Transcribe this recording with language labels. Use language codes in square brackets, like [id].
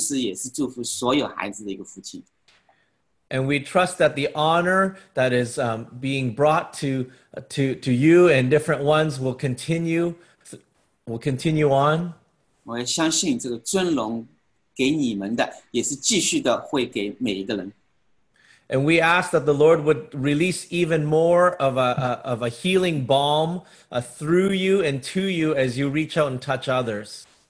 [zh] 这个祝福一个孩子的父亲，同时也是祝福所有孩子的一个父亲。 [en] And we trust that the honor that is being brought to you and different ones will continue on. [zh] 我相信这个尊荣给你们的，也是继续的会给每一个人。 [en] And we ask that the Lord would release even more of a healing balm through you and to you as you reach out and touch others.